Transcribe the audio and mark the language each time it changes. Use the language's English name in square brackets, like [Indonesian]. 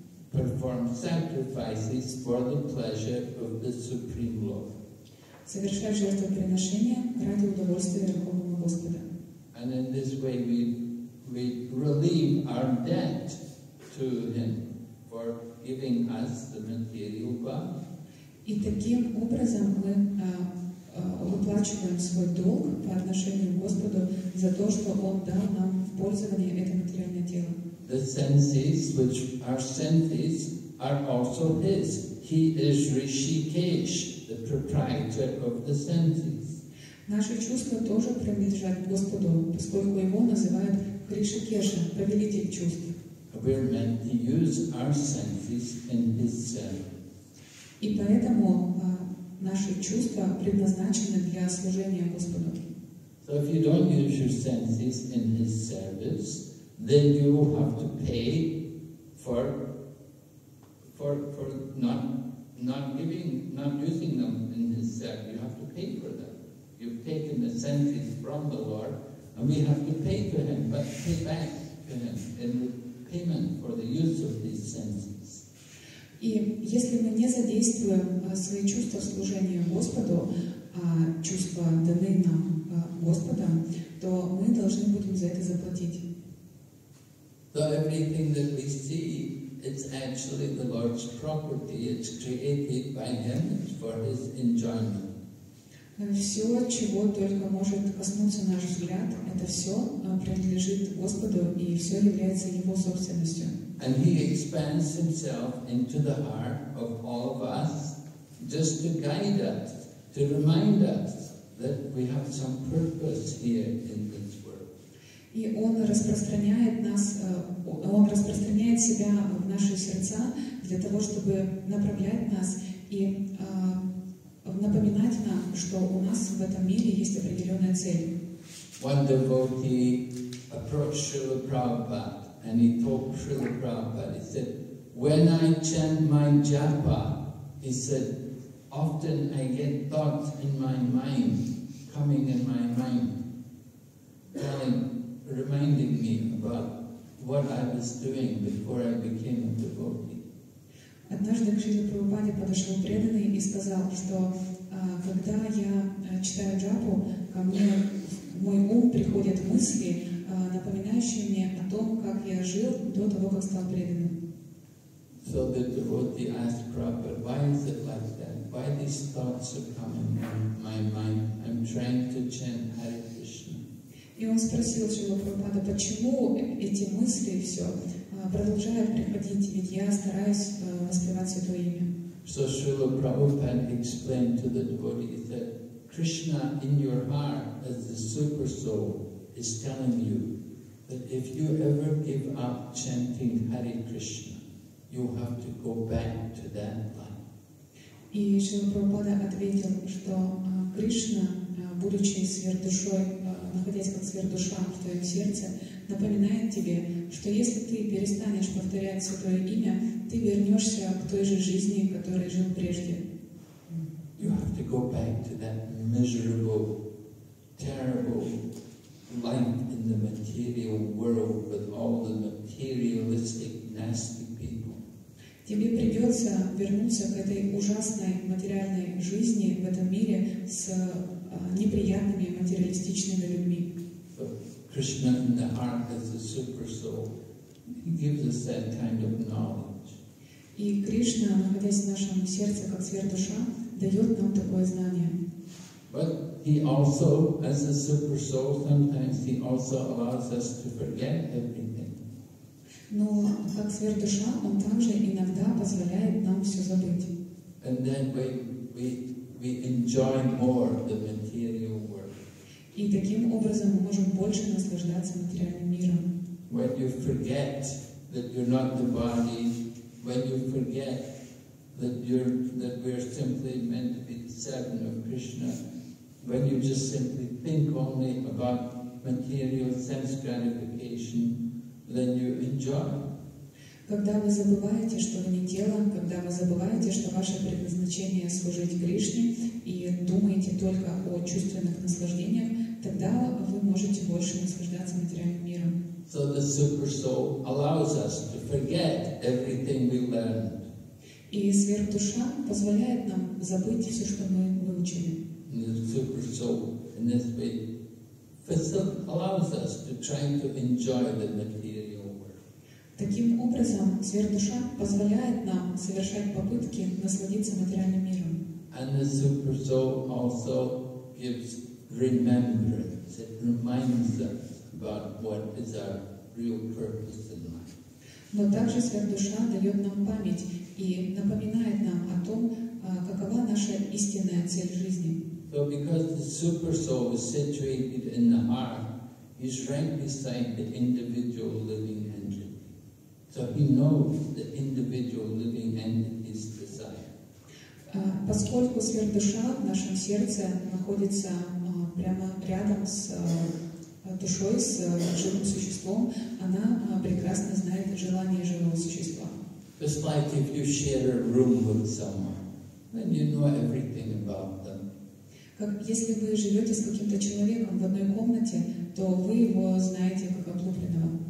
[English] Perform sacrifices for the pleasure of the Supreme Lord. [Russian] Совершать жертвоприношение ради удовольствия Верховного Господа. [English] And in this way we relieve our debt to Him for giving us the material body. [Russian] И таким образом мы выплачиваем свой долг по отношению к Господу за то, что Он дал нам в пользование это материальное тело. [English] The senses, which are senses, are also His. He is Rishikesh, the proprietor of the senses. [Russian] Наши чувства тоже принадлежат Господу, поскольку Его называют Ришикешем, повелитель чувств. [English] We are meant to use our senses in His service. [Russian] И поэтому наши чувства предназначены для служения Господу. [English] So if you don't use your senses in His service, then you will have to pay for not using them in His service. You have to pay for them. You've taken the senses from the Lord, and we have to pay to Him, but pay back to Him in the payment for the use of these senses. [Russian] И если мы не задействуем свои чувства служения Господу, чувства даны нам Господом, то мы должны будем за это заплатить. [English] So everything that we see, it's actually the Lord's property. It's created by Him for His enjoyment. [Russian] Все, чего только может коснуться наш взгляд, это все принадлежит Господу, и все является Его собственностью. [English] And He expands Himself into the heart of all of us just to guide us, to remind us that we have some purpose here in this world. [Russian] И Он распространяет нас, Он распространяет Себя в наши сердца для того, чтобы направлять нас и напоминать нам, что у нас в этом мире есть определенная цель. [English] One devotee approached Srila Prabhupada and he told Srila Prabhupada, he said, When I chant my japa, he said, often I get thoughts in my mind, coming in my mind, telling, reminding me about what I was doing before I became a devotee. [Russian] Однажды к Шриле Прабхупаде подошел преданный и сказал, что когда я читаю джапу, ко мне в мой ум приходят мысли, напоминающие мне о том, как я жил до того, как стал преданным. [English] So the devotee asked Prabhupada, why is it like that? Why these thoughts are coming in my mind? I'm trying to chant Hare Krishna. [Russian] И он спросил Шрилу Прабхупаду, почему эти мысли все продолжают приходить, ведь я стараюсь воспевать Святое Имя. [English] So Srila Prabhupada explained to the devotees that Krishna in your heart as the super soul is telling you that if you ever give up chanting Hare Krishna, you have to go back to that life. [Russian] И Шрила Прабхупада ответил, что Кришна, будучи сверхдушой, находясь как сверхдуша в твоем сердце, напоминает тебе, что если ты перестанешь повторять Святое Имя, ты вернешься к той же жизни, в которой жил прежде. [English] You have to go back to that miserable, terrible life in the material world with all the materialistic, nasty people. [Russian] Тебе придется вернуться к этой ужасной материальной жизни в этом мире с неприятными материалистичными людьми. [English] Krishna in the heart as the super soul. He gives us that kind of knowledge. [Russian] И Кришна, находясь в нашем сердце как сверхдуша, дает нам такое знание. [English] But he also, as a super soul, sometimes he also allows us to forget everything. [Russian] Но как сверхдуша, он также иногда позволяет нам все забыть. [English] And then we enjoy more the material world. [Russian] И таким образом мы можем больше наслаждаться материальным миром. [English] When you forget that you're not the body, when you forget that we're simply meant to be the servant of Krishna, when you just simply think only about material sense gratification, then you enjoy. [Russian] Когда вы забываете, что вы не тело, когда вы забываете, что ваше предназначение служить Кришне и думаете только о чувственных наслаждениях, тогда вы можете больше наслаждаться материальным миром. [English] So the super soul allows us to forget everything we learned. [Russian] И сверхдуша позволяет нам забыть все, что мы выучили. [English] And the super soul in this way allows us to try to enjoy the material world. [Russian] Таким образом, сверхдуша позволяет нам совершать попытки насладиться материальным миром. [English] And the super soul also gives remembrance. It reminds us about what is our real purpose in life. [Russian] Но также сверхдуша дает нам память и напоминает нам о том, какова наша истинная цель жизни. [English] So because the super soul is situated in the heart, he's right beside the individual living entity. So he knows the individual living entity's desire. [Russian] Поскольку сверхдуша в нашем сердце находится прямо рядом с душой, с живым существом, она прекрасно знает желание живого существа. [English] Just like if you share a room with someone, then you know everything about them. [Russian] Как если вы живете с каким-то человеком в одной комнате, то вы его знаете как облупленного.